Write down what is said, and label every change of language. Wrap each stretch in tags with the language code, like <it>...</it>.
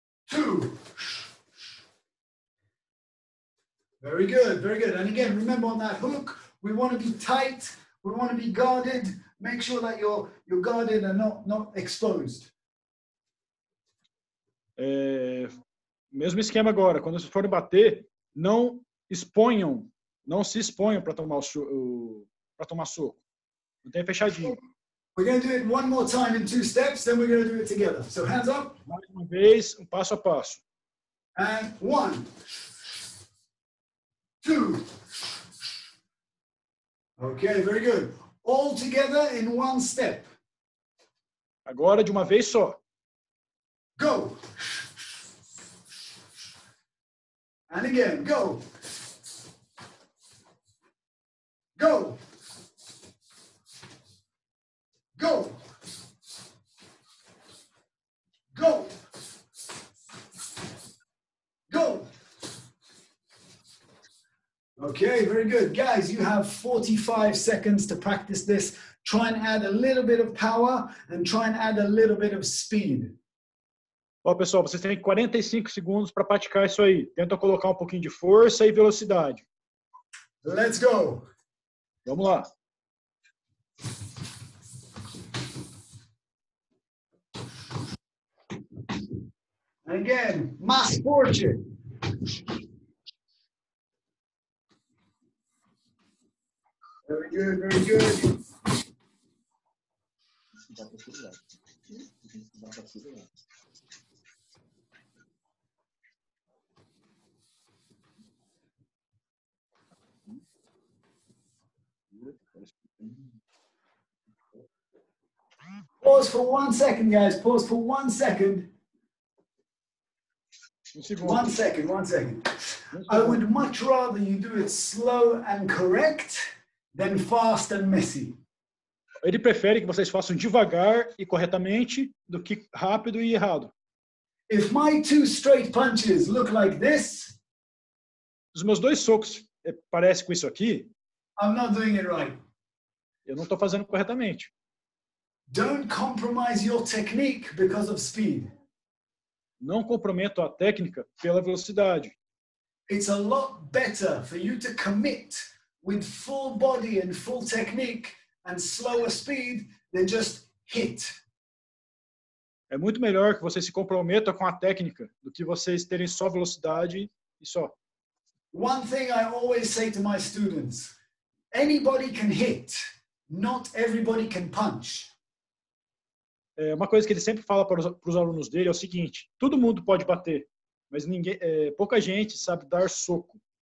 <en>Two. Very good, very good. And again, remember on that hook, we want to be tight, we want to be guarded. Make sure that you're guarded and not exposed.</en> <pt>É, mesmo esquema agora, quando vocês forem bater, não se exponham para tomar soco. Não tem fechadinho.</pt> <en>We're going to do it one more time in two steps, then we're going to do it together. So hands up.</en> <pt>Mais uma vez, um passo a passo.</pt> <en>And one. Two. Okay, very good. All together in one step.</en> <pt>Agora de uma vez só.</pt> <en>Go. And again, go. Go. Go. Go. Go. Okay, very good. Guys, you have 45 seconds to practice this. Try and add a little bit of power and try and add a little bit of speed.</en> <pt>Ó, pessoal, vocês têm 45 segundos para praticar isso aí. Tenta colocar um pouquinho de força e velocidade.</pt> <en>Let's go.</en> <pt>Vamos lá.</pt> <en>Again, mass fortune. Very good, very good. Pause for 1 second, guys. Pause for 1 second. One second. I would much rather you do it slow and correct than fast and messy.</en> <pt>Ele prefere que vocês façam devagar e corretamente do que rápido e errado.</pt> <en>If my two straight punches look like this,</en> <pt>os meus dois socos parecem com isso aqui,</pt> <en>I'm not doing it right.</en> <pt>Eu não estou fazendo corretamente.</pt> <en>Don't compromise your technique because of speed.</en> <pt>Não comprometo a técnica pela velocidade.</pt> <en>It's a lot better for you to commit with full body and full technique and slower speed than just hit.</en> <pt>É muito melhor que você se comprometa com a técnica do que vocês terem só velocidade e só.</pt> <en>One thing I always say to my students, anybody can hit, not everybody can punch.</en> <pt>É uma coisa que ele sempre fala para os alunos dele é o seguinte: todo mundo pode bater, mas ninguém, pouca gente sabe dar soco.</pt>